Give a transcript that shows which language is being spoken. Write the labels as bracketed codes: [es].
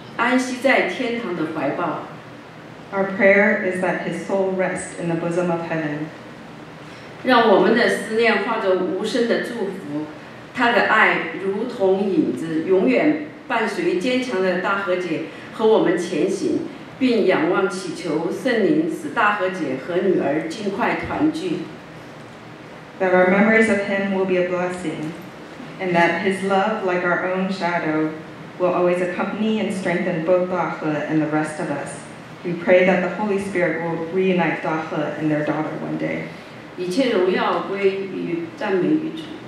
[zh] 安息在天堂的怀抱。 [en] Our prayer is that his soul rest in the bosom of heaven. [zh] 让我们的思念化作无声的祝福，他的爱如同影子，永远伴随坚强的大和解和我们前行，并仰望祈求圣灵使大和解和女儿尽快团聚。 [en] That our memories of him will be a blessing, and that his love, like our own shadow, will always accompany and strengthen both Da He and the rest of us. We pray that the Holy Spirit will reunite Da He and their daughter one day. [zh] 一切荣耀归于赞美于主。